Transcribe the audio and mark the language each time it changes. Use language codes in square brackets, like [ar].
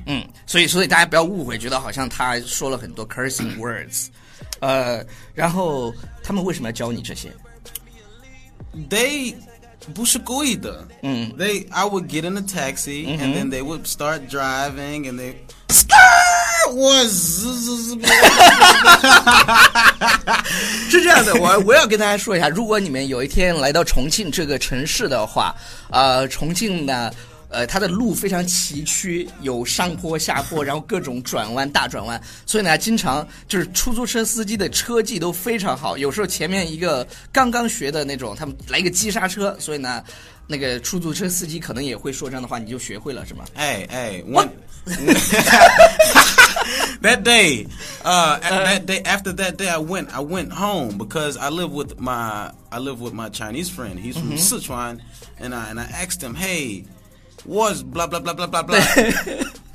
[zh] 嗯、所以大家不要误会觉得好像他说了很多 [en] cursing words [zh] 、然后他们为什么要教你这些 [en] They [zh] 不是故意的、嗯、 [en] They I would get in a taxi、嗯、 And then they would start driving And they Skrrr [zh] 是这样的 我要跟大家说一下如果你们有一天来到重庆这个城市的话、重庆呢它的路非常崎岖有上坡下坡然后各种转弯大转弯所以呢经常就是出租车司机的车技都非常好有时候前面一个刚刚学的那种他们来个急刹车所以呢那个出租车司机可能也会说这样的话你就学会了是吗 [en] 哎 That day that day after that day I went home because I live with my Chinese friend he's from、mm-hmm. Sichuan and I asked him heyWas blah blah blah blah blah blah.